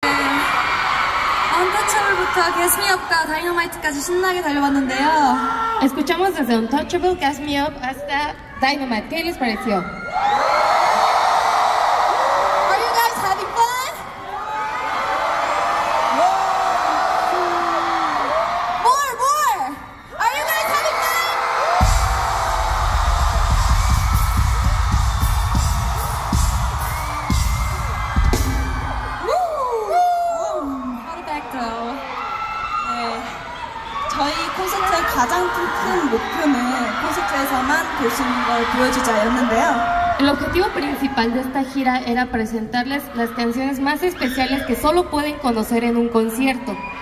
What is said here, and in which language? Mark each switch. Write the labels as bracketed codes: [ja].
[ko] Untouchable부터 Gas Me Up과 Dynamite까지 신나게 달려왔는데요. [es] Escuchamos desde Untouchable, Gas Me Up hasta Dynamite. ¿Qué les pareció? [en] Are you guys having fun? More, more! Are you guys having fun? Woo! Got it back though. [ko] 저희 콘서트의 가장 큰 목표는 콘서트에서만 볼 수 있는 걸 보여주자였는데요. [es] El objetivo principal de esta gira era presentarles las canciones más especiales que solo pueden conocer en un concierto.